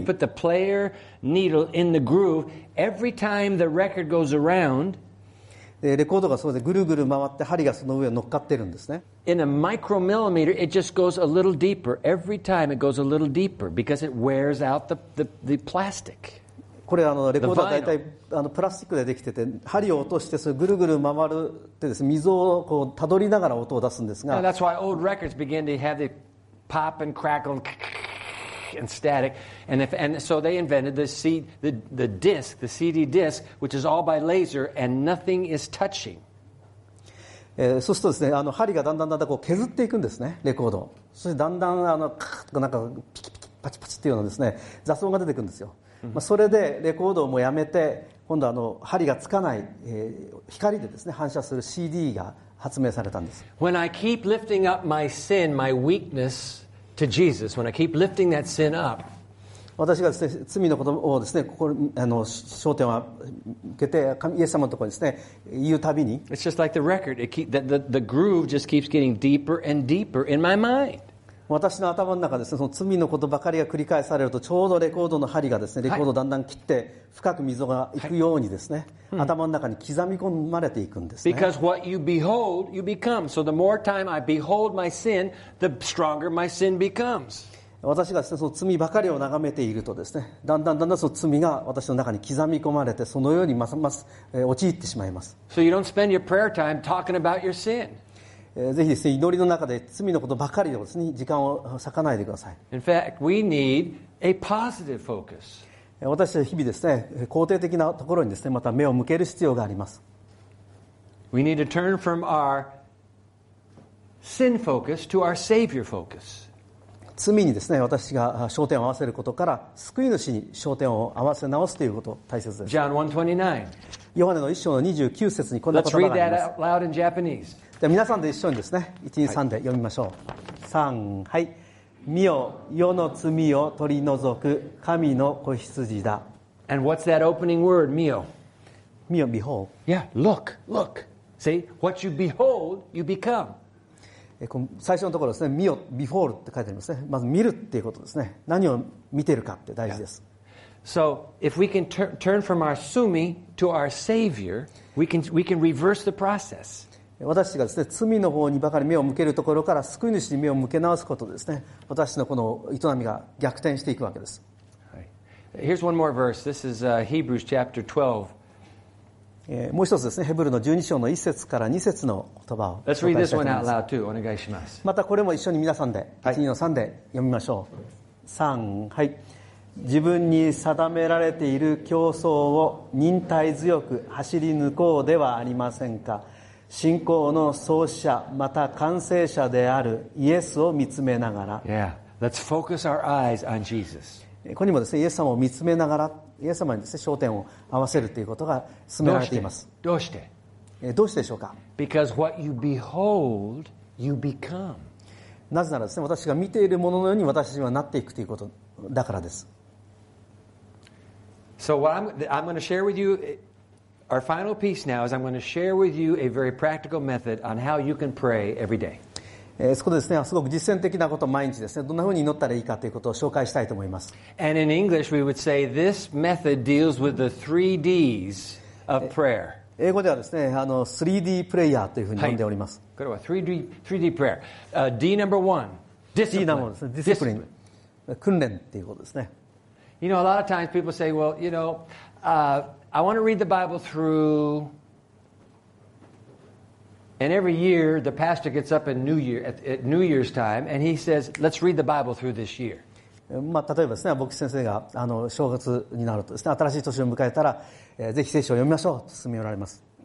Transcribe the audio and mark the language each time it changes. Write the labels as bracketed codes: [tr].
[en] You put the player needle in the groove every time the record goes around. [ja] レコードがそうでぐるぐる回って針がその上に乗っかってるんですね。 [en] In a micromillimeter, it just goes a little deeper every time. It goes a little deeper because it wears out the plastic. [ja] これレコードは大体プラスチックでできてて、針を落としてそれぐるぐる回るってですね、溝をこうたどりながら音を出すんですが。 [en] That's why old records begin to have the pop and crackle and, and static. And, if, and so they invented the, C, the disc, the CD disc, which is all by laser and nothing is touching. [ja] そうするとですね、針がだんだんだんだんこう削っていくんですね、レコード。そしてだんだんカッとかなんかピキピキパチパチっていうようなですね、雑音が出てくるんですよ。まあ、それでレコードをもうやめて、今度針がつかない光 で, ですね反射する CD が発明されたんです。 [en] When I keep lifting up my sin, my weakness to Jesus, when I keep lifting that sin up, [ja] 私がですね罪のことをですね、ここ焦点を向けて、イエス様のところにですね、言うたびに、 [en] It's just like the record, it keep, the groove just keeps getting deeper and deeper in my mind. [ja] 私の頭の中ですね、その罪のことばかりが繰り返されると、ちょうどレコードの針がですね、レコードをだんだん切って、深く溝がいくようにですね、はい、頭の中に刻み込まれていくんですね。 [en] Because what you behold, you become. So the more time I behold my sin, the stronger my sin becomes. [ja] 私がですね、その罪ばかりを眺めているとですね、だんだんだんだんその罪が私の中に刻み込まれて、そのようにますます陥ってしまいます。 [en] So you don't spend your prayer time talking about your sin. [ja] ぜひですね、祈りの中で罪のことばかりでですね、時間を割かないでください。 [en] In fact, we need a positive focus. [ja] 私は日々ですね、肯定的なところにですね、また目を向ける必要があります。 [en] We need to turn from our sin focus to our Savior focus. [ja] 罪にですね、私が焦点を合わせることから救い主に焦点を合わせ直すということ大切です。 [en] John 1:29. [ja] ヨハネの1章の29節にこんな言葉があります。 [en] Let's read that out loud in Japanese. [ja] じゃあ皆さんで一緒にですね、1,2,3 で読みましょう。3、はい。見よ、世の罪を取り除く神の子羊だ。 [en] And what's that opening word, [ja] 見よ。見よ、 [en] behold. Yeah, look, look. See, what you behold, you become. [ja] 最初のところですね、見よ、before って書いてありますね。まず見るっていうことですね。何を見てるかって大事です。 [en] Yeah. So, if we can turn from our sumi to our savior, we can reverse the process. [ja] 私がですね、罪の方にばかり目を向けるところから救い主に目を向け直すことですね。私のこの営みが逆転していくわけです。 [en] Right. Here's one more verse. This is Hebrews chapter 12. [ja] もう一つですね、ヘブルの12章の1節から2節の言葉を紹介したいと思います。 [en] Let's read this one out loud too. [ja] お願いします。またこれも一緒に皆さんで、はい、1、2の3で読みましょう。3、はい。自分に定められている競争を忍耐強く走り抜こうではありませんか。信仰の創始者また完成者であるイエスを見つめながら。 [en] Yeah, let's focus our eyes on Jesus. [ja] ここにもですね、イエス様を見つめながら、イエス様にです、ね、焦点を合わせるということが進められています。どうして、どうしてでしょうか。 [en] Because what you behold, you become. [ja] なぜならですね、私が見ているもののように私はなっていくということだからです。 [en] So what I'm going to share with you, our final piece now is I'm going to share with you a very practical method on how you can pray every day. [ja] そこでですね、すごく実践的なことを毎日ですね、どんなふうに祈ったらいいかということを紹介したいと思います。 [en] And in English, we would say this method deals with the three Ds of prayer. [ja] 英語ではですね、3D プレイヤーというふうに呼んでおります。はい、これは [en] 3D prayer. D number one, discipline. D number one [ja] ですね、 [en] discipline. [ja] 訓練っていうことですね。 [en] You know, a lot of times people say, well, you know, I want to read the Bible through... And every year, the pastor gets up in New Year, at New Year's time, and he says, let's read the Bible through this year. [ja] まあ、例えばですね、牧師先生が、正月になるとですね、新しい年を迎えたら、ぜひ聖書を読みましょうと勧められます。